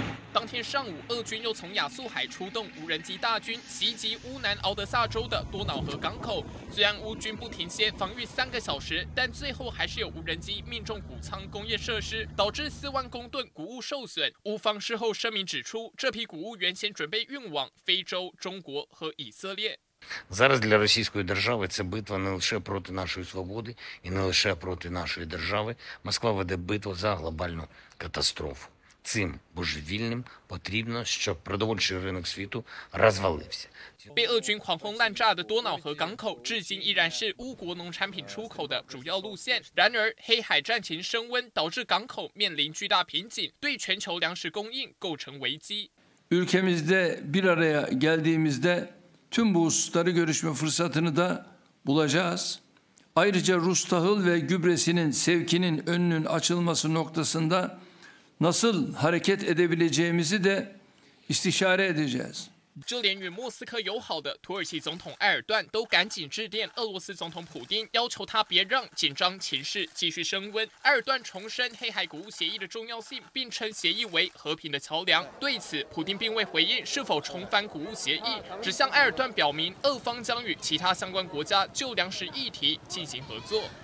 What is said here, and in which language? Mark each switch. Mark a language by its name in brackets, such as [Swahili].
[Chinese] 当天上午，俄军又从亚速海出动无人机大军，袭击乌南敖德萨州的多瑙河港口。虽然乌军不停歇防御3个小时，但最后还是有无人机命中谷仓、工业设施，导致4万公吨谷物受损。乌方事后声明指出，这批谷物原先准备运往非洲、中国和以色列。 [Ukrainian] Зараз для російської держави це битва не лише проти нашої свободи і не лише проти нашої держави. Москва веде битву за глобальну катастрофу. Цим божевільним потрібно, щоб продовольчий ринок світу розвалився. [Chinese] 被俄军狂轰滥炸的多瑙河港口，至今依然是乌国农产品出口的主要路线。然而，黑海战情升温，导致港口面临巨大瓶颈，对全球粮食供应构成危机。 [Turkish] Ülkemizde bir araya geldiğimizde tüm bu hususları görüşme fırsatını da bulacağız. Ayrıca Rus tahıl ve gübresinin sevkinin önünün açılması noktasında nasıl hareket edebileceğimizi de istişare edeceğiz. [Chinese] 就连与莫斯科友好的土耳其总统埃尔段都赶紧致电俄罗斯总统普丁，要求他别让紧张情势继续升温。埃尔段重申黑海谷物协议的重要性，并称协议为和平的桥梁。对此，普丁并未回应是否重返谷物协议，只向埃尔段表明俄方将与其他相关国家就粮食议题进行合作。